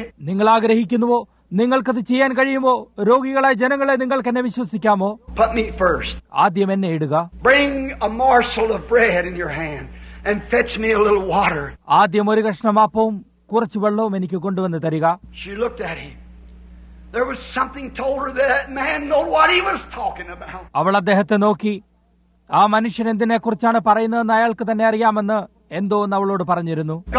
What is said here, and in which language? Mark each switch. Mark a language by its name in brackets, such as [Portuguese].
[Malayalam] നിങ്ങൾ ആഗ്രഹിക്കുന്നുവോ? നിങ്ങൾക്കത് ചെയ്യാൻ കഴിയുമോ? രോഗികളെ, ജനങ്ങളെ നിങ്ങൾക്ക് എന്നെ വിശ്വസിക്കാമോ? ആദ്യം എന്നെ ഇടുക. [English] Bring a morsel of bread in your hand and fetch me a little water. [Malayalam] ആദ്യം ഒരു കഷ്ണം ആപ്പവും കുറച്ച് വെള്ളവും എനിക്ക് കൊണ്ടുവന്ന് തരിക. [English] She looked at him. There was something told her that man knew what he was talking about. [Malayalam] അവൾ അദ്ദേഹത്തെ നോക്കി. ആ മനുഷ്യൻ എന്തിനെ കുറിച്ചാണ് പറയുന്നതെന്ന് അയാൾക്ക് തന്നെ അറിയാമെന്ന് എന്തോ എന്ന് അവളോട് പറഞ്ഞിരുന്നു.